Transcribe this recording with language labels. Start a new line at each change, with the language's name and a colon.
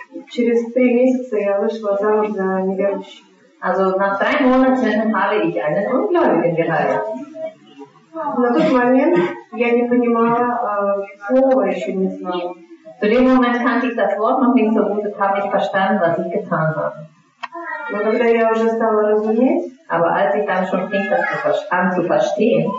Russian: через 3 месяца я вышла замуж за неверующего.
German: Also nach 3 Monaten habe ich einen Ungläubigen geheiratet.
Russian: На тот момент я не понимала слова еще не знала.
German: Zu dem Moment kannte ich das Wort noch nicht so gut und habe nicht verstanden, was ich getan habe.
Russian: Но когда я уже стала разуметь,
German: aber als ich dann schon fing das zu verstehen,